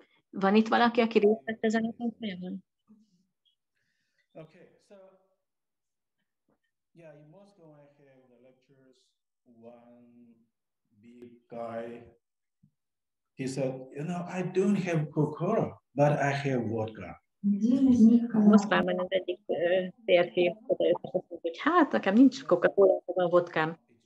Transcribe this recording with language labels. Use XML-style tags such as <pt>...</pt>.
<hu>Van itt valaki, aki részt vett ezen a folyadékon?</hu> <en>Okay, so yeah, in Moscow I have the lectures. One big guy, he said, you know, I don't have Coca-Cola, but I have vodka.</en> <hu>Moszkvában az egyik férfi odajött, hogy hát, nekem nincs Coca-Cola, van vodkám.</hu>